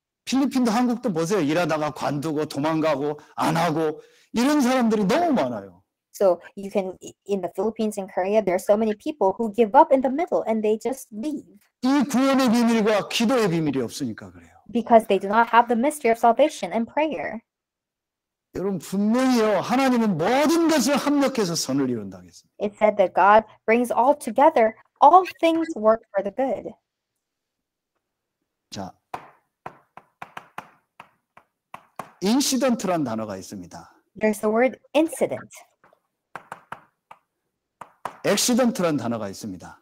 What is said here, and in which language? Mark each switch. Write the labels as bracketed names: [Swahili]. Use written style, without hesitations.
[Korean] 필리핀도 한국도 보세요. 일하다가 관두고 도망가고 안 하고 이런 사람들이 너무 많아요. [English] So you can in the Philippines and Korea, there are so many people who give up in the middle and they just leave. [Korean] 이 구원의 비밀과 기도의 비밀이 없으니까 그래요. [English] Because they do not have the mystery of salvation and prayer. [Korean] 여러분 분명히요, 하나님은 모든 것을 합력해서 선을 이룬다고 했습니다. [English] It said that God brings all together, all things work for the good. [Korean] 자, 인시던트란 단어가 있습니다. [English] There's the word incident. [Korean] 엑시던트란 단어가 있습니다.